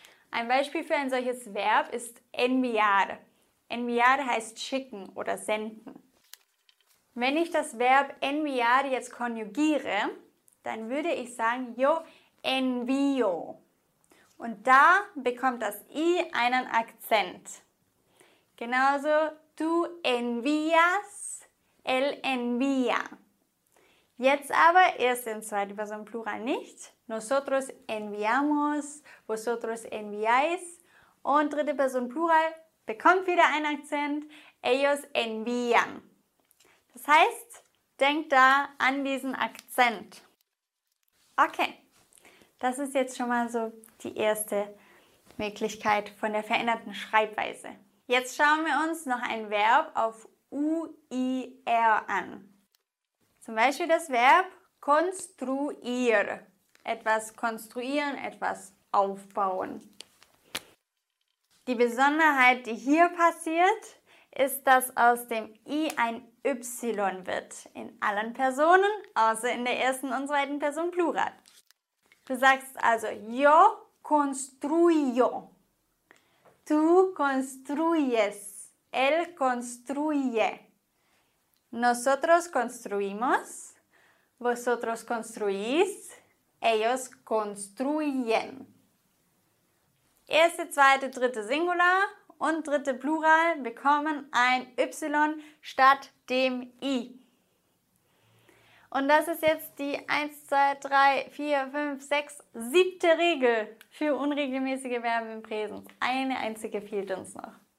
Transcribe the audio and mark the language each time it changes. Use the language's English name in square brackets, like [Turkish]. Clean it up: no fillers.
[German] Ein Beispiel für ein solches Verb ist enviar. Enviar heißt schicken oder senden. Wenn ich das Verb enviar jetzt konjugiere, dann würde ich sagen [Spanish] yo envio. [German] Und da bekommt das I einen Akzent. Genauso [Spanish] tu envias, él envía. [German] Jetzt aber, erste und zweite Person Plural nicht. [Spanish] Nosotros enviamos, vosotros enviáis. [German] Und dritte Person Plural bekommt wieder einen Akzent. [Spanish] Ellos envían. [German] Das heißt, denkt da an diesen Akzent. Okay, das ist jetzt schon mal so die erste Möglichkeit von der veränderten Schreibweise. Jetzt schauen wir uns noch ein Verb auf UIR an. Zum Beispiel das Verb construir, etwas konstruieren, etwas aufbauen. Die Besonderheit, die hier passiert, ist, dass aus dem I ein Y wird. In allen Personen, außer in der ersten und zweiten Person Plural. Du sagst also [Spanish] yo construyo, tú construyes, él construye. Nosotros construimos, vosotros construís, ellos construyen. [German] Erste, zweite, dritte Singular und dritte Plural bekommen ein Y statt dem I. Und das ist jetzt die 1, 2, 3, 4, 5, 6, 7. Regel für unregelmäßige Verben im Präsens. Eine einzige fehlt uns noch.